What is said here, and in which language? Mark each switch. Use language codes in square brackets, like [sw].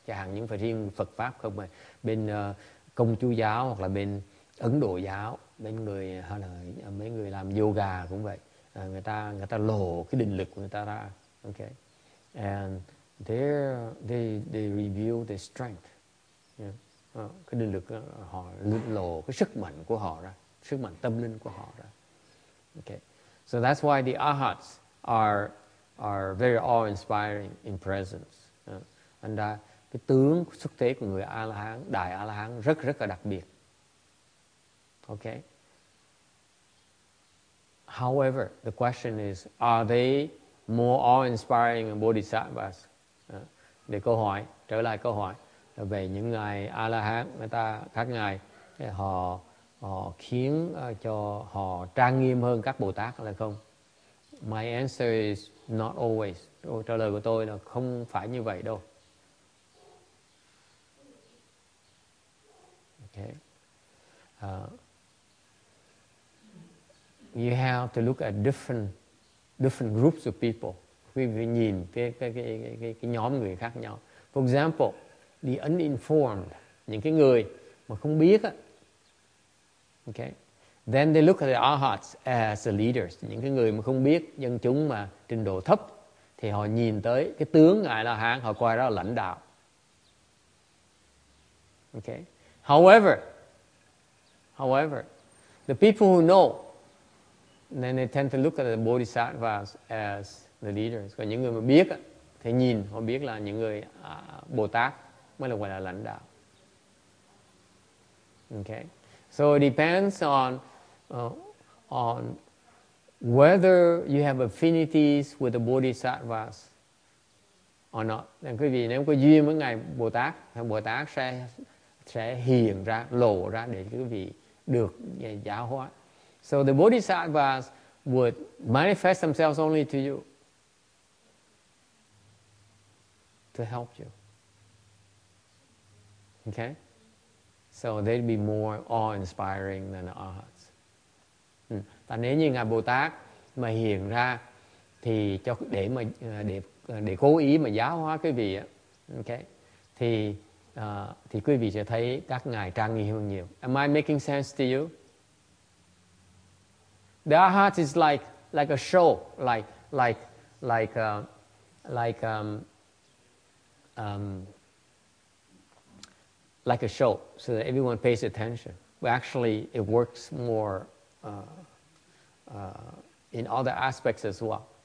[vi] Chẳng hạn những phải riêng Phật pháp không mà bên Công Chúa giáo hoặc là bên Ấn Độ giáo, bên người hay là mấy người làm yoga cũng vậy. Người ta lộ cái định lực của người ta ra. [en] Okay, and they reveal their strength. Yeah. [vi] Cái định lực họ lộ cái sức mạnh của họ ra, sức mạnh tâm linh của họ ra. [en] Okay. So that's why the arhats are very awe-inspiring in presence. [vi] And cái tướng xuất thế của người A-la-hán, đại A-la-hán rất rất là đặc biệt. [en] Okay. However, the question is, are they more awe-inspiring than bodhisattvas? [vi] Để câu hỏi, trở lại câu hỏi về những ngài A-la-hán, người ta khác ngài, họ họ khiến cho họ trang nghiêm hơn các Bồ Tát là không? [en] My answer is not always. [vi] Trả lời của tôi là không phải như vậy đâu. [en] Okay. You have to look at different groups of people. [vi] Quý vị nhìn cái nhóm người khác nhau. [en] For example, the uninformed, [vi] những cái người mà không biết á. [en] Okay. Then they look at the arhats as the leaders. [vi] Những cái người mà không biết, dân chúng mà trình độ thấp, thì họ nhìn tới cái tướng ngài là hán, họ coi đó là lãnh đạo. [en] Okay. However, the people who know, then they tend to look at the bodhisattvas as the leaders. [vi] Còn những người mà biết, thì nhìn, họ biết là những người Bồ Tát mới là gọi là lãnh đạo. [en] Okay. So it depends on whether you have affinities with the bodhisattvas or not. [vi] Nên quý vị nếu có duyên với ngài Bồ Tát, thì Bồ Tát sẽ hiện ra, lộ ra để quý vị được giáo hóa. [en] So the bodhisattvas would manifest themselves only to you to help you. Okay? So they'd be more awe-inspiring than the arhats. [vi] Và nếu như ngài Bồ Tát mà hiện ra thì cho để cố ý mà giáo hóa quý vị, okay, thì quý vị sẽ thấy các ngài trang nghiêm hơn nhiều. [en] Am I making sense to you? The arhats is like a show, like a show, so that everyone pays attention. But actually, it works more in other aspects as well.